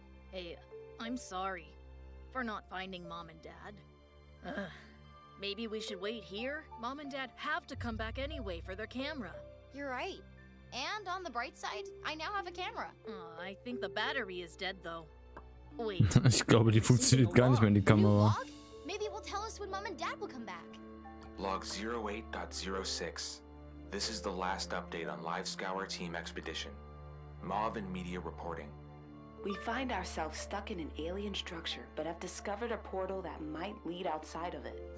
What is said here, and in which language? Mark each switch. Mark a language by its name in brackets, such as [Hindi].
[English] Hey, I'm sorry for not finding Mom and Dad. Maybe we should wait here? Mom and Dad have to come back anyway for their camera. You're right. And on the bright side, I now have a camera. Oh, I think the battery is dead though. Wait. [German] Ich glaube, die funktioniert gar nicht mehr, die Kamera. [English] Maybe it will tell us when Mom and Dad will come back. Log 08.06. This is the last update on LiveScour Team Expedition. Mauve and Media reporting. We find ourselves stuck in an alien structure, but have discovered a portal that might lead outside of it.